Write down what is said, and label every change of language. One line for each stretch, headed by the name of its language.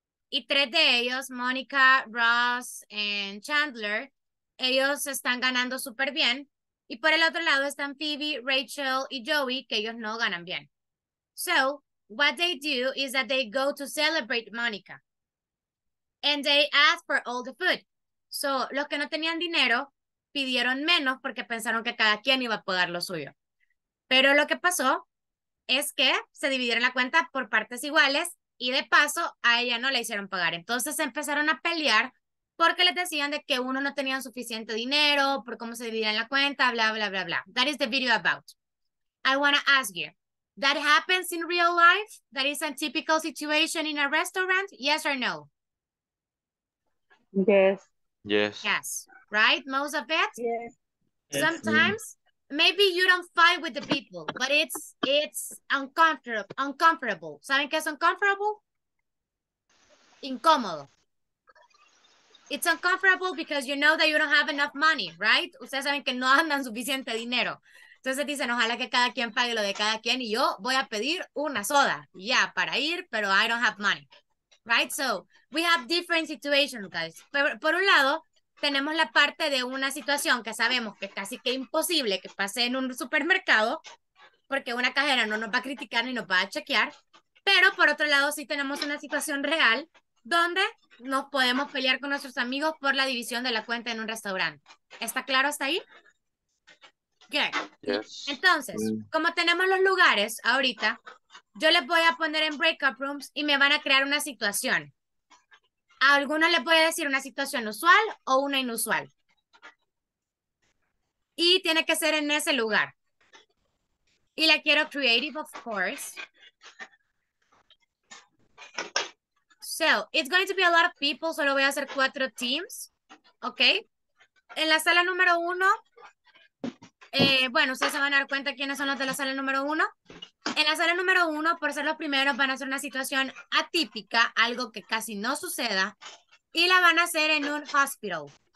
Spanish: Y tres de ellos, Mónica, Ross y Chandler, ellos están ganando súper bien. Y por el otro lado están Phoebe, Rachel y Joey, que ellos no ganan bien.
English: So, what they do is that they go to celebrate Mónica. And they ask for all the food.
Spanish: So, los que no tenían dinero pidieron menos porque pensaron que cada quien iba a pagar lo suyo. Pero lo que pasó es que se dividieron la cuenta por partes iguales. Y de paso, a ella no le hicieron pagar. Entonces se empezaron a pelear porque les decían de que uno no tenía suficiente dinero, por cómo se dividía en la cuenta, bla, bla, bla, bla.
English: That is the video about. I want to ask you, that happens in real life? That is a typical situation in a restaurant? Yes or no? Yes. Yes. Yes, right? Most of it? Yes. Yes. Sometimes, maybe you don't fight with the people, but it's uncomfortable.
Spanish: ¿Saben qué es uncomfortable? Incómodo.
English: It's uncomfortable because you know that you don't have enough money, right?
Spanish: Ustedes saben que no andan suficiente dinero. Entonces dicen, ojalá que cada quien pague lo de cada quien y yo voy a pedir una soda.
English: Ya, yeah,
Spanish: para ir, pero
English: I don't have money. Right? So, we have different situations, guys.
Spanish: Pero, por un lado, tenemos la parte de una situación que sabemos que es casi que imposible que pase en un supermercado, porque una cajera no nos va a criticar ni nos va a chequear, pero por otro lado sí tenemos una situación real donde nos podemos pelear con nuestros amigos por la división de la cuenta en un restaurante. ¿Está claro hasta ahí? Good.
English: Yes.
Spanish: Entonces, como tenemos los lugares ahorita, yo les voy a poner en breakout rooms y me van a crear una situación. A algunos les voy a decir una situación usual o una inusual. Y tiene que ser en ese lugar. Y la quiero
English: creative, of course. So, it's going to be a lot of people.
Spanish: Solo voy a hacer cuatro teams. ¿Ok? En la sala número uno, bueno, ustedes se van a dar cuenta quiénes son los de la sala número uno. En la sala número uno, por ser los primeros, van a hacer una situación atípica, algo que casi no suceda, y la van a hacer en un hospital.